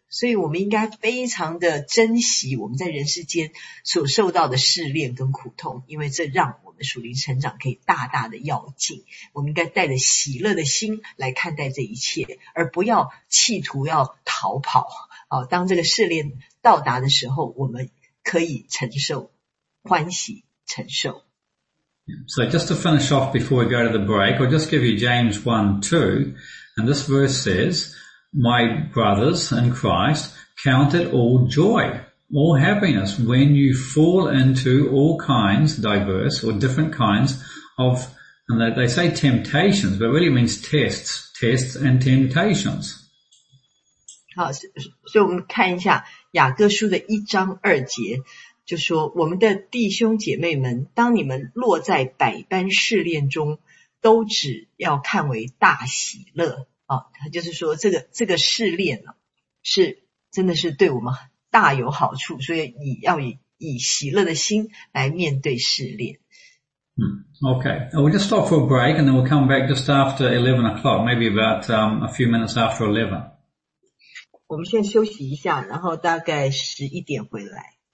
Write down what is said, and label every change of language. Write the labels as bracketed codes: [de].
[zh] 所以我们应该非常的珍惜我们在人世间所受到的试炼跟苦痛，因为这让我们属灵成长可以大大的要进。我们应该带着喜乐的心来看待这一切，而不要企图要逃跑当这个试炼到达的时候，我们可以承受，欢喜承受。 [en] So just to finish off before we go to the break, I'll just give you James 1:2, and this verse says, "My brothers in Christ, count it all joy, all happiness, when you fall into all kinds, diverse or different kinds of," and they say temptations, but it really means tests and temptations. [zh] 好，所以我们看一下雅各书的一章二节。就说我们的弟兄姐妹们，当你们落在百般试炼中，都只要看为大喜乐他就是说这个试炼是真的是对我们大有好处，所以你要以喜乐的心来面对试炼。 [en] Okay, we'll just stop for a break and then we'll come back just after 11 o'clock, maybe about a few minutes after 11. [zh] 我们先休息一下，然后大概11点回来。